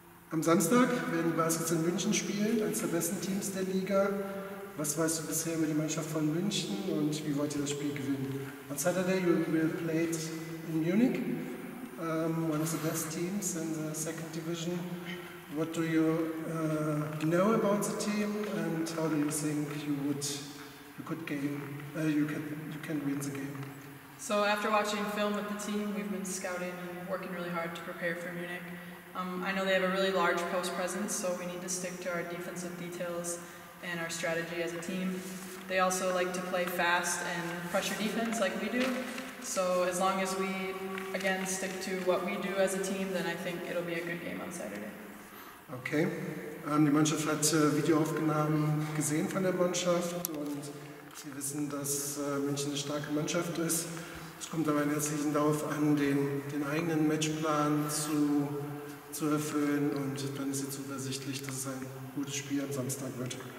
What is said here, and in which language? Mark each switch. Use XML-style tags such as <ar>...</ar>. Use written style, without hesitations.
<de>Am Samstag werden die Baskets in München spielen, eines der besten Teams der Liga. Was weißt du bisher über die Mannschaft von München und wie wollt ihr das Spiel gewinnen?</de> <en>On Saturday you will play in Munich, one of the best teams in the second division. What do you know about the team, and how do you think you can win the game? So after watching film with the team, we've been scouting and working really hard to prepare for Munich. I know they have a really large post presence, so we need to stick to our defensive details and our strategy as a team. They also like to play fast and pressure defense like we do. So as long as we, again, stick to what we do as a team, then I think it'll be a good game on Saturday. Okay.</en> <de>Die Mannschaft hat Videoaufnahmen gesehen von der Mannschaft und sie wissen, dass München eine starke Mannschaft ist. Es kommt aber in erster Linie darauf an, den eigenen Matchplan zu erfüllen, und dann ist es zuversichtlich, dass es ein gutes Spiel am Samstag wird.</de>